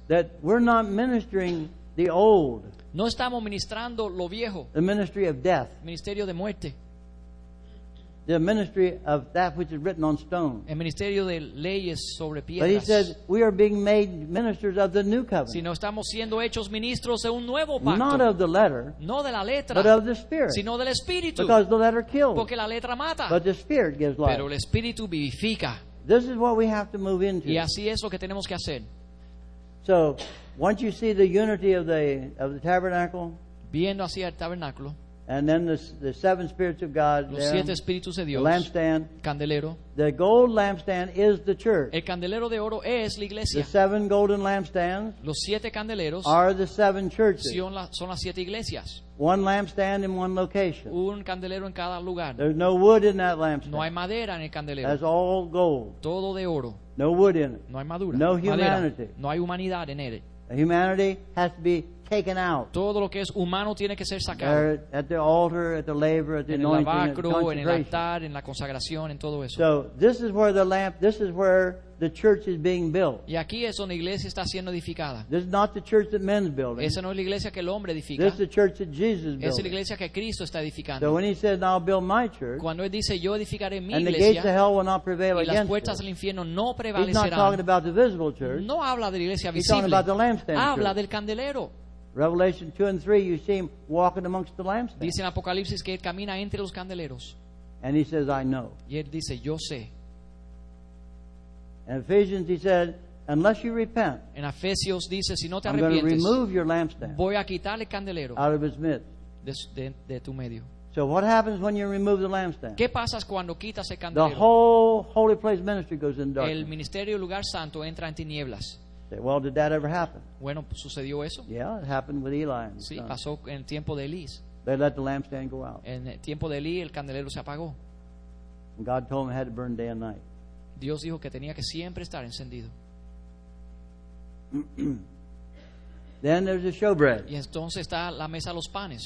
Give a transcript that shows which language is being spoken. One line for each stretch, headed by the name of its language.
English: That we're not ministering the old.
Spanish: No estamos ministrando lo viejo.
English: The ministry of death.
Spanish: Ministerio de muerte.
English: The ministry of that which is written on stone.
Spanish: El ministerio de leyes sobre piedras.
English: But he says we are being made ministers of the new covenant.
Spanish: Sino estamos siendo hechos ministros de un nuevo pacto.
English: Not of the letter.
Spanish: No de la letra.
English: But of the spirit.
Spanish: Sino del espíritu.
English: Because the letter kills.
Spanish: Porque la letra mata.
English: But the spirit gives life.
Spanish: Pero el espíritu vivifica.
English: This is what we have to move into.
Spanish: Y así es lo que tenemos que hacer.
English: So, once you see the unity of the tabernacle,
Spanish: viendo así el tabernáculo,
English: and then the seven spirits of God,
Spanish: los siete espíritus de Dios,
English: the lampstand,
Spanish: candelero,
English: the gold lampstand is the church.
Spanish: El candelero de oro es la iglesia.
English: The seven golden lampstands,
Spanish: los siete candeleros,
English: are the seven churches.
Spanish: Son las siete iglesias.
English: One lampstand in one location.
Spanish: Un candelero en cada lugar.
English: There's no wood in that lampstand.
Spanish: No hay madera en el candelero.
English: That's all gold.
Spanish: Todo de oro.
English: No wood in it.
Spanish: No hay madura.
English: No humanity.
Spanish: Madera. No hay humanidad en él.
English: Humanity has to be taken out.
Spanish: Todo lo que es humano tiene que ser sacado.
English: There at the altar, at the laver, at the anointing,
Spanish: en el lavacro, en el altar, en la consagración, en todo eso.
English: So this is where the lamp. This is where the church is being built.
Spanish: Y aquí es donde la iglesia está siendo edificada.
English: This is not the church that men's building.
Spanish: Esa no es la iglesia que el hombre edifica.
English: This is the church that Jesus built.
Spanish: Esa es la iglesia que Cristo está edificando.
English: So when he said, "I'll build my church,"
Spanish: cuando él dice, "Yo edificaré mi
English: and
Spanish: iglesia,"
English: and the gates of hell will not prevail against it.
Spanish: Y las puertas del infierno no prevalecerán.
English: He's not talking about the visible church.
Spanish: No habla de la iglesia visible.
English: He's talking about the lampstand.
Spanish: Habla
English: church.
Spanish: Del candelero.
English: Revelation 2 and 3, you see him walking amongst the lampstands.
Spanish: Dice en Apocalipsis que él camina entre los candeleros.
English: And he says, "I know."
Spanish: Y él dice, "Yo sé."
English: In Ephesians, he said, Unless you repent,
Spanish: en Efesios dice, si no te
English: I'm going to remove your lampstand
Spanish: voy a quitar el candelero
English: out of his midst.
Spanish: De tu medio.
English: So what happens when you remove the lampstand?
Spanish: ¿Qué pasas cuando quitas el candelero?
English: The whole holy place ministry goes in darkness.
Spanish: El ministerio lugar santo entra en tinieblas.
English: Well, did that ever happen?
Spanish: Bueno, sucedió eso.
English: Yeah, it happened with Eli. And
Spanish: sí, pasó en el tiempo de Eli.
English: They let the lampstand go out.
Spanish: En el tiempo de Eli, el candelero se apagó.
English: And God told him it had to burn day and night.
Spanish: Dios dijo que tenía que siempre estar encendido.
English: Then there's the showbread.
Spanish: Y entonces está la mesa de los panes.